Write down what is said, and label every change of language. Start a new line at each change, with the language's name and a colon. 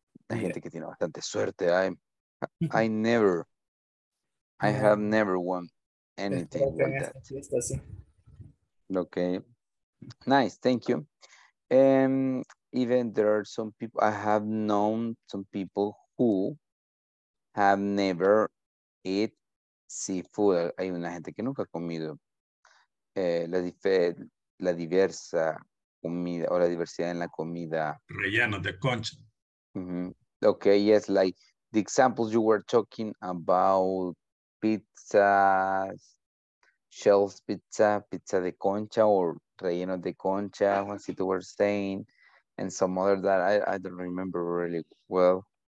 Spanish: La gente que tiene bastante suerte.
English: I have never won anything like that. Okay, nice, thank you. Even there are some people, I have known some people who have never eat seafood.
Spanish: Hay una gente que nunca ha comido la diversa comida o la diversidad en la comida. Relleno de concha. Mm-hmm.
English: Okay, yes, like the examples you were talking about, pizzas, shells
Spanish: pizza de concha
English: or
Spanish: relleno de concha,
English: as you were saying. And some other that I don't remember really well.